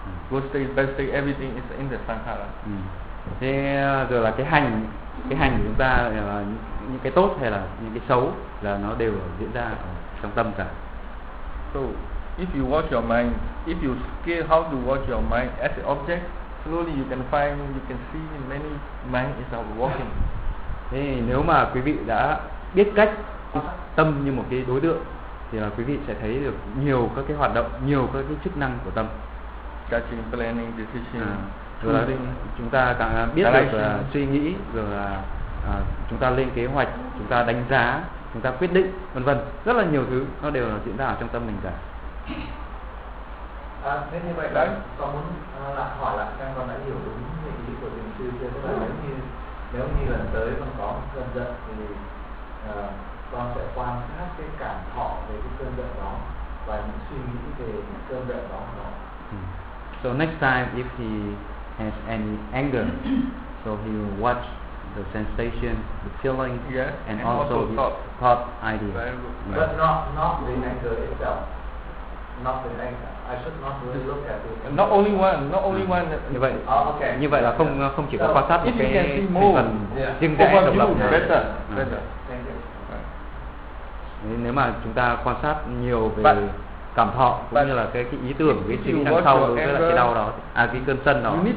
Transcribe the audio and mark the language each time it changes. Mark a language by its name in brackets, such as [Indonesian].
[English] First is basically everything is in the sankhara. [Vietnamese] Thế rồi là cái hành của chúng ta là những cái tốt hay là những cái xấu là nó đều diễn ra ở trong tâm cả. [English] So if you watch your mind, if you skill how to watch your mind as an object, slowly you can find, you can see in many mind is not working. [Vietnamese] Thế nếu mà quý vị đã biết cách tâm như một cái đối tượng thì là quý vị sẽ thấy được nhiều các cái hoạt động, nhiều các cái chức năng của tâm. [English] Judging, planning, decision. [Vietnamese] Chúng ta càng biết được suy nghĩ, rồi là chúng ta lên kế hoạch, chúng ta đánh giá, chúng ta quyết định, vân vân, rất là nhiều thứ nó đều diễn ra ở trong tâm mình cả. Thế như vậy đấy, con muốn là hỏi là các con đã hiểu đúng ý của thiền sư chưa? Tức là nếu như lần tới con có một cơn giận thì con sẽ quan sát cái cảm thọ về cái cơn giận đó và những suy nghĩ về những cơn giận đó. [English] So next time if he has any anger, so he will watch the sensation, the feeling, and also the thought idea. But not the anger itself. Not the anger. I should not really look at it. Not only one. [Vietnamese] Như vậy. [English] Oh, okay. [Vietnamese] Như vậy là không chỉ có quan sát một cái thành phần riêng rẽ độc lập. [English] Better. [Vietnamese] Nếu mà chúng ta quan sát nhiều về cảm thọ cũng như là cái ý tưởng, cái suy nghĩ đằng sau đối với là cái đau đó, cái cơn sân đó,